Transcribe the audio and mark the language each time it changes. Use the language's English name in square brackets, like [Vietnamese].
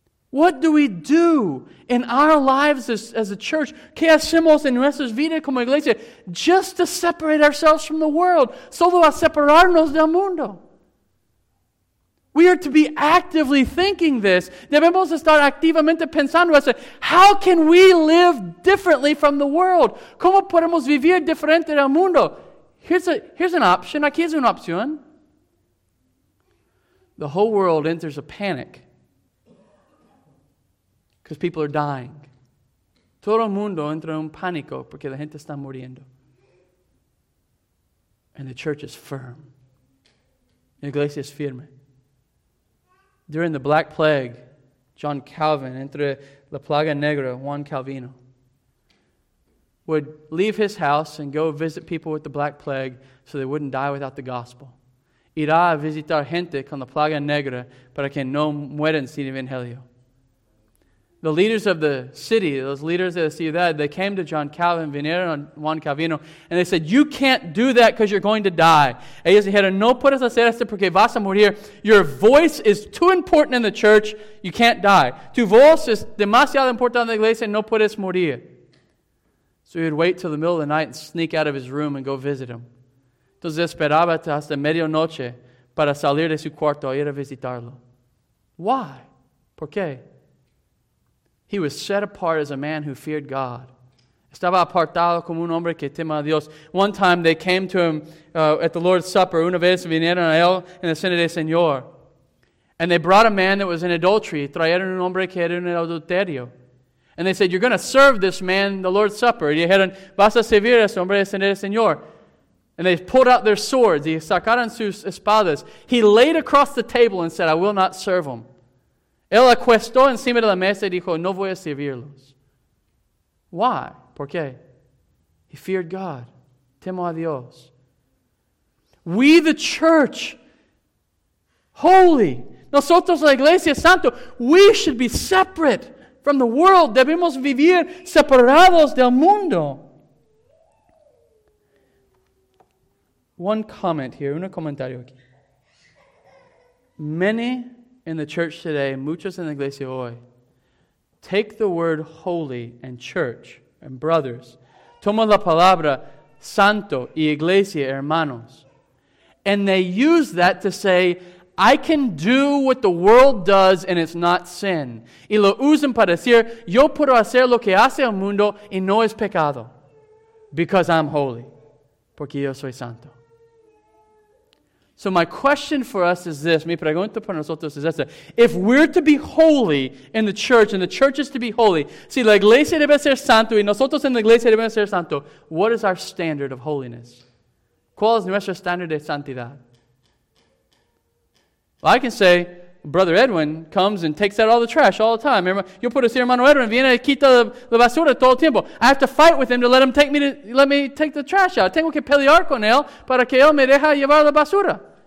[English] What do we do in our lives as a church? [Spanish] ¿Qué hacemos en nuestras vidas como iglesia? [English] Just to separate ourselves from the world. [Spanish] Solo a separarnos del mundo. [English] We are to be actively thinking this. [Spanish] Debemos estar activamente pensando eso. [English] How can we live differently from the world? [Spanish] ¿Cómo podemos vivir diferente del mundo? [English] Here's an option. [Spanish] Aquí es una opción. [English] The whole world enters a panic. Because people are dying. [Spanish] Todo el mundo entra en pánico porque la gente está muriendo. [English] And the church is firm. [Spanish] La iglesia es firme. [English] During the Black Plague, John Calvin, [Spanish] entre la plaga negra, [English] Juan Calvino, would leave his house and go visit people with the Black Plague so they wouldn't die without the gospel. [Spanish] Irá a visitar gente con la plaga negra para que no mueran sin evangelio. [English] The leaders of the city, those leaders of the ciudad, they came to John Calvin, [Spanish] vinieron a Juan Calvino, [English] and they said, you can't do that because you're going to die. [Spanish] Ellos dijeron, no puedes hacer esto porque vas a morir. [English] Your voice is too important in the church, you can't die. [Spanish] Tu voz es demasiado importante en la iglesia, no puedes morir. [English] So he would wait till the middle of the night and sneak out of his room and go visit him. [Spanish] Entonces esperaba hasta medianoche para salir de su cuarto y ir a visitarlo. [English] Why? [Spanish] ¿Por qué? [English] He was set apart as a man who feared God. [Spanish] Estaba apartado como un hombre que tema a Dios. [English] One time they came to him at the Lord's Supper. [Spanish] Una vez vinieron a él en la cena del Señor. [English] And they brought a man that was in adultery. [Spanish] Trajeron un hombre que era en adulterio. [English] And they said, you're going to serve this man the Lord's Supper. [Spanish] Y dijeron, vas a servir a este hombre en el Señor. [English] And they pulled out their swords. [Spanish] Y sacaron sus espadas. [English] He laid across the table and said, I will not serve him. [Spanish] Él acuestó encima de la mesa y dijo, no voy a servirlos. [English] Why? [Spanish] ¿Por qué? [English] He feared God. [Spanish] Temo a Dios. [English] We, the church, holy. [Spanish] Nosotros, la iglesia, santo. [English] We should be separate from the world. [Spanish] Debemos vivir separados del mundo. [English] One comment here. [Spanish] Un comentario aquí. [English] Many in the church today, [Spanish] muchos en la iglesia hoy, [English] take the word holy and church and brothers, [Spanish] toma la palabra santo y iglesia, hermanos, [English] and they use that to say, I can do what the world does and it's not sin. [Spanish] Y lo usan para decir, yo puedo hacer lo que hace el mundo y no es pecado, [English] because I'm holy, [Spanish] porque yo soy santo. [English] So my question for us is this, [Spanish] mi pregunta para nosotros es esta. [English] If we're to be holy in the church, and the church is to be holy, [Spanish] si la iglesia debe ser santo [English] y nosotros en la iglesia debemos ser santo, what is our standard of holiness? [Spanish] ¿Cuál es nuestro standard de santidad? [English] Well, I can say, Brother Edwin comes and takes out all the trash all the time. [Spanish] Yo puedo decir, hermano Edwin, viene y quita la basura todo el tiempo. [English] I have to fight with him to let him let me take the trash out. [Spanish] Tengo que pelear con él para que él me deje llevar la basura.